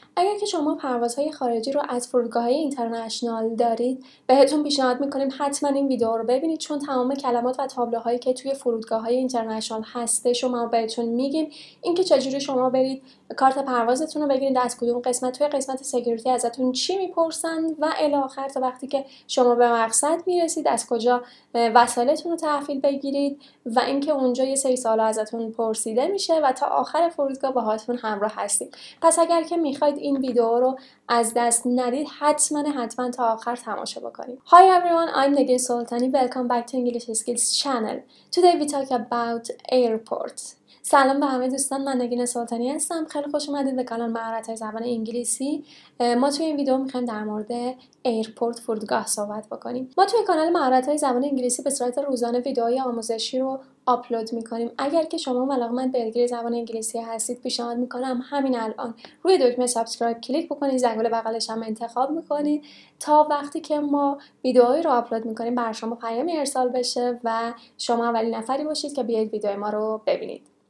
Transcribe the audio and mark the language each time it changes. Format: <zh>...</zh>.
<fa>اگر که شما پروازهای خارجی رو از فرودگاه‌های اینترنشنال دارید، بهتون پیشنهاد میکنیم حتما این ویدیو رو ببینید، چون تمام کلمات و تابلوهایی که توی فرودگاه‌های اینترنشنال هسته شما بهتون میگیم، اینکه چجوری شما برید کارت پروازتون رو بگیرید، از کدوم قسمت توی قسمت سکیوریتی ازتون چی میپرسن و الی آخر تا وقتی که شما به مقصد میرسید از کجا وسایلتون رو تحویل بگیرید و اینکه اونجا یه سری سوال ازتون پرسیده میشه و تا آخر فرودگاه باهاتون همراه هستیم. پس اگر که میخواید این ویدیو رو از دست ندید، حتما حتما تا آخر تماشا بکنید.</fa> <en>Hi everyone, I'm Negin Sultani. Welcome back to English Skills Channel. Today we talk about airport.</en> <fa>سلام به همه دوستان، من نگین سلطانی هستم. خیلی خوش اومدید به کانال مهارت‌های زبان انگلیسی. ما توی این ویدیو میخوایم در مورد ایرپورت فرودگاه صحبت بکنیم. ما توی کانال مهارت‌های زبان انگلیسی به صورت روزانه ویدیوهای آموزشی رو آپلود میکنیم. اگر که شما علاقمند به یادگیری زبان انگلیسی هستید، پیشنهاد میکنم همین الان روی دکمه سابسکرایب کلیک بکنید، زنگوله بغلش هم انتخاب میکنید تا وقتی که ما ویدیوهایی رو آپلود میکنیم بر شما پیامی ارسال بشه و شما اولین نفری باشید که بیاید ویدیو ما رو ببینید.</fa>